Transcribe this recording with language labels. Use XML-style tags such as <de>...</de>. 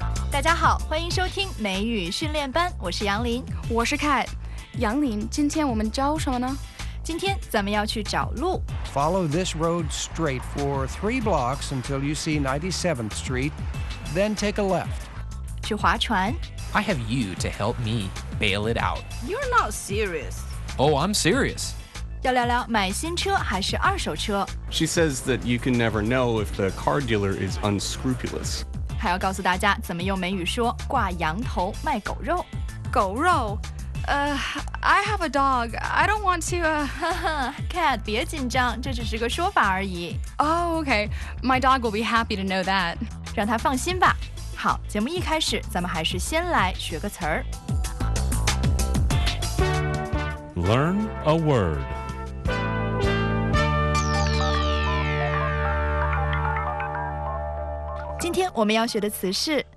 <zh>大家好，欢迎收听美语训练班，我是杨林。我是凯。杨林，今天我们教什么呢？今天咱们要去找路。</zh> <en>Follow this road straight for 3 blocks until you see 97th Street, then take a left.</en> <zh>去划船。</zh> <en>I have you to help me bail it out. You're not serious. Oh, I'm serious.</en> <zh>要聊聊买新车还是二手车。</zh> <en>She says that you can never know if the car dealer is unscrupulous.</en> <zh>还要告诉大家怎么用美语说挂羊头卖狗肉。狗肉？</zh> <en>I have a dog. I don't want to,</en> <zh>Cat, 别紧张，这只是个说法而已。</zh> <en>Oh, okay. My dog will be happy to know that.</en> <zh>让他放心吧。好，节目一开始，咱们还是先来学个词儿。</zh> <en>Learn a word. Today,</en> <zh>我们要学的词是</zh>